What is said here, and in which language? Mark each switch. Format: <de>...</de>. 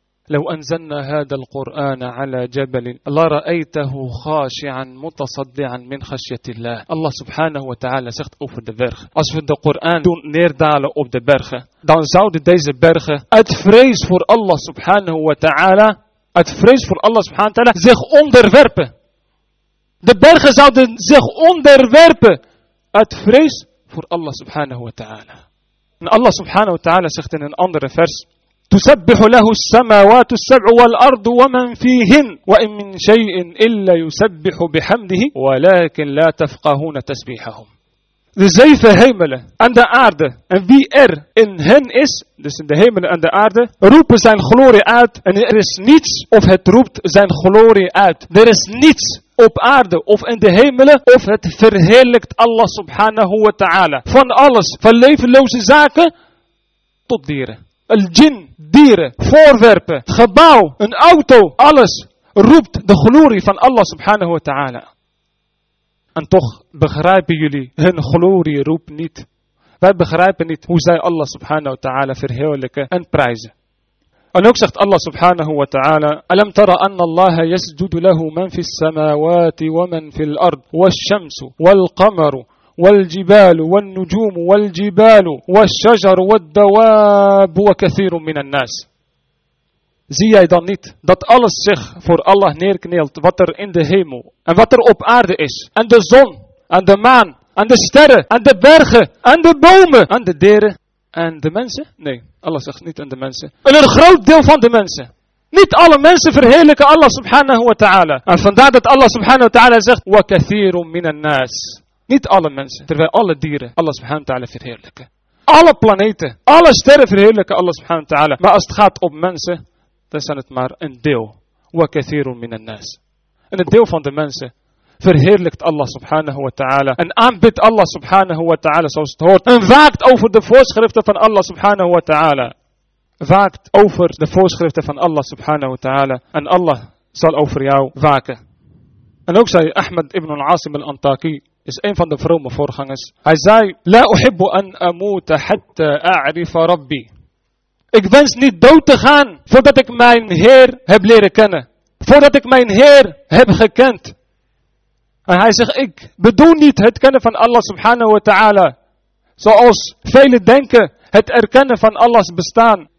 <ar>لو أنزلنا هذا القرآن على جبل لرأيته خاشعا متصدعا من خشية الله.</ar> <nl>الله سبحانه وتعالى zegt over de berg. Als we de Koran doen neerdalen op de bergen, dan zouden deze bergen uit vrees voor Allah subhanahu wa ta'ala, uit vrees voor Allah subhanahu wa ta'ala, zich onderwerpen. De bergen zouden zich onderwerpen uit vrees voor Allah subhanahu wa ta'ala. En Allah subhanahu wa ta'ala zegt in een andere vers:</nl> <ar>تسبح له السماوات السبع والأرض ومن فيهن وإن من شيء إلا يسبح بحمده ولكن لا تفقهون تسبيحهم.</ar> <nl>De zeven hemelen en de aarde en wie er in hen is, dus in de hemelen en de aarde, roepen zijn glorie uit en er is niets of het roept zijn glorie uit. Er is niets op aarde of in de hemelen of het verheerlijkt Allah subhanahu wa ta'ala. Van alles, van levenloze zaken tot dieren. Al jin, dieren, voorwerpen, het gebouw, een auto, alles roept de glorie van Allah subhanahu wa ta'ala. En toch begrijpen jullie hun glorie roep niet. Wij begrijpen niet hoe zij Allah subhanahu wa ta'ala verheerlijken en prijzen. En ook zegt Allah subhanahu wa ta'ala:</nl> <ar>Alam tara anna Allah yasjudu lahu man fis samawati wa man fil ard, wa shamsu, wal qamaru. والجبال والنجوم والجبال والشجر والدواب وكثير من الناس.</ar> <nl>Zie jij dan niet dat alles zich voor Allah neerknielt wat er in de hemel en wat er op aarde is, en de zon en de maan en de sterren en de bergen en de bomen en de dieren en de mensen? Nee, Allah zegt niet aan de mensen. En een groot deel van de mensen. Niet alle mensen verheerlijken Allah subhanahu wa ta'ala. En vandaar dat Allah subhanahu wa ta'ala zegt:</nl> <ar>وكثير من الناس.</ar> <nl>Niet alle mensen, terwijl alle dieren Allah subhanahu wa ta'ala verheerlijken. Alle planeten, alle sterren verheerlijken Allah subhanahu wa ta'ala. Maar als het gaat om mensen, dan zijn het maar een deel.</nl> <ar>Wa kathirun minan nas.</ar> <nl>En een deel van de mensen verheerlijkt Allah subhanahu wa ta'ala. En aanbidt Allah subhanahu wa ta'ala zoals het hoort. En waakt over de voorschriften van Allah subhanahu wa ta'ala. Waakt over de voorschriften van Allah subhanahu wa ta'ala. En Allah zal over jou waken. En ook zei Ahmad ibn al-Asim al-Antaqi, is een van de vrome voorgangers. Hij zei:</nl> <ar>لا أحب أن أموت حتى أعرف ربي.</ar> <nl>Ik wens niet dood te gaan voordat ik mijn Heer heb leren kennen. Voordat ik mijn Heer heb gekend. En hij zegt: ik bedoel niet het kennen van Allah subhanahu wa ta'ala. Zoals velen denken, het erkennen van Allahs bestaan.</nl>